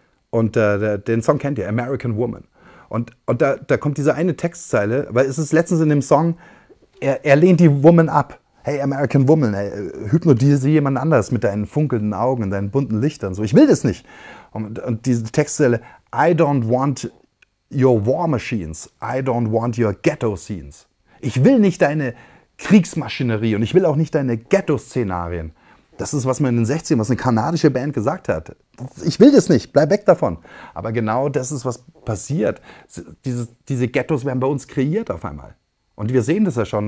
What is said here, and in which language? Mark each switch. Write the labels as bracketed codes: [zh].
[de] Und den Song kennt ihr, American Woman. Und da kommt diese eine Textzeile, weil es ist letztens in dem Song, er lehnt die Woman ab. Hey, American Woman, hey, hypnotisiere jemand anders mit deinen funkelnden Augen und deinen bunten Lichtern. So, ich will das nicht. Und diese Textzeile, [en] I don't want your war machines. I don't want your ghetto scenes. [de] Ich will nicht deine Kriegsmaschinerie und ich will auch nicht deine Ghetto-Szenarien. Das ist, was man in den 60ern, was eine kanadische Band gesagt hat. Ich will das nicht, bleib weg davon. Aber genau das ist, was passiert. Diese Ghettos werden bei uns kreiert auf einmal. Und wir sehen das ja schon.